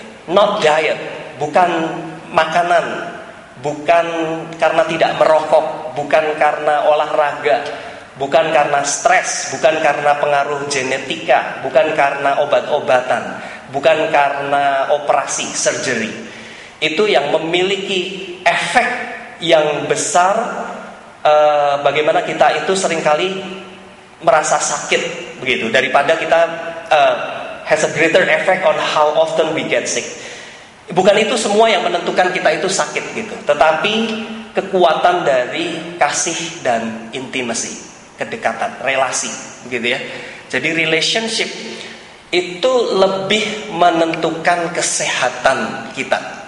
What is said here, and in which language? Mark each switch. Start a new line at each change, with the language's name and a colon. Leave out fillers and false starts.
English: Not diet,
Indonesian: bukan makanan, bukan karena tidak merokok, bukan karena olahraga, bukan karena stres, bukan karena pengaruh genetika, bukan karena obat-obatan, bukan karena operasi, surgery. Itu yang memiliki efek yang besar, bagaimana kita itu seringkali merasa sakit, begitu. Daripada kita
English: has a greater effect on how often we get sick.
Indonesian: Bukan itu semua yang menentukan kita itu sakit, gitu. Tetapi kekuatan dari kasih dan intimacy, kedekatan, relasi, gitu ya. Jadi relationship itu lebih menentukan kesehatan kita.